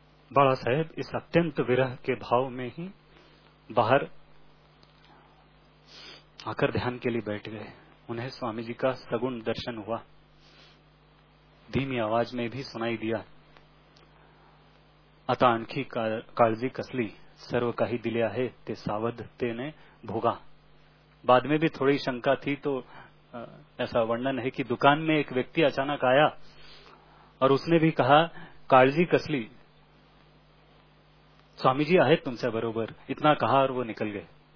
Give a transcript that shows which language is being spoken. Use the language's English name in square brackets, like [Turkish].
[Hindi] बाला साहेब इस अत्यंत विरह के भाव में ही बाहर आकर ध्यान के लिए बैठ गए। उन्हें स्वामी जी का सगुण दर्शन हुआ, धीमी आवाज में भी सुनाई दिया। [Marathi] अत आणखी काळजी कसली, सर्व काही दिले आहे ते सावध तेने भोगा। [Hindi] बाद में भी थोड़ी शंका थी तो ऐसा वर्णन है कि दुकान में एक व्यक्ति अचानक आया और उसने भी कहा, [Marathi] काळजी कसली, स्वामी जी आहेत तुमच्या बरोबर, [Hindi] इतना कहा और वो निकल गए।